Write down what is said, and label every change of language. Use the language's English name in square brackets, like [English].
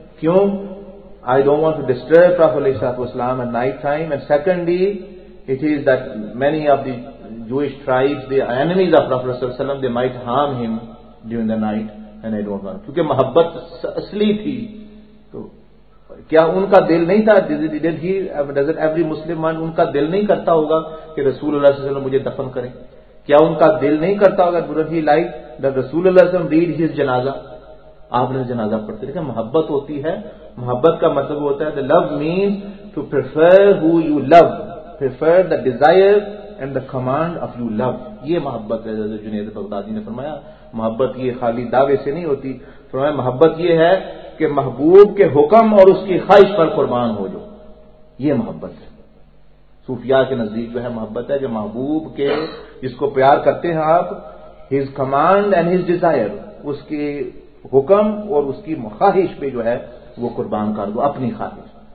[English] کیوں؟ I don't want to disturb prophet علیہ الصلوۃ والسلام at night time, and secondly it is that many of the Jewish tribes, the enemies of Prophet صلی اللہ علیہ وسلم, they might harm him during the night and I don't want, [Urdu] کیونکہ محبت اصلی تھی. تو کیا ان کا دل نہیں تھا, [English] doesn't every Muslim man [Urdu] ان کا دل نہیں کرتا ہوگا کہ رسول اللہ صلی اللہ علیہ وسلم مجھے دفن کریں؟ کیا ان کا دل نہیں کرتا ہوگا [English] that he liked that [Urdu] رسول اللہ صلی اللہ علیہ وسلم [English] read his [Urdu] جنازہ, آپ نے جنازہ پڑھتے. دیکھیں محبت ہوتی ہے, محبت کا مطلب ہوتا ہے [English] the love means to prefer who you love, prefer the desire and the command of your love. [Urdu] یہ محبت ہے. جنید بغدادی نے فرمایا محبت یہ خالی دعوے سے نہیں ہوتی, فرمایا محبت یہ ہے کہ محبوب کے حکم اور اس کی خواہش پر قربان ہو جو, یہ محبت ہے. صوفیاء کے نزدیک جو ہے محبت ہے جو محبوب کے جس کو پیار کرتے ہیں آپ, [English] his command and his desire, [Urdu] اس کے حکم اور اس کی خواہش پہ جو ہے وہ قربان کر دو اپنی خواہش.